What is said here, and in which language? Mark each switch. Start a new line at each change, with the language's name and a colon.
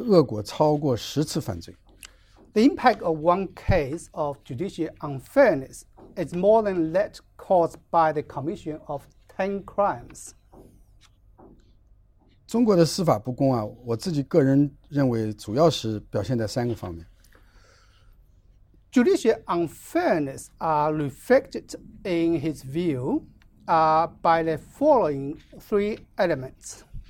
Chinese: 一次不公平的、不公正的判决的恶果超过十次犯罪。
English: The impact of one case of judicial unfairness is more than that caused by the commission of 10 crimes.
Chinese: 中国的司法不公啊，我自己个人认为主要是表现在三个方面。
English: Judicial unfairness are reflected in his view by the following three elements.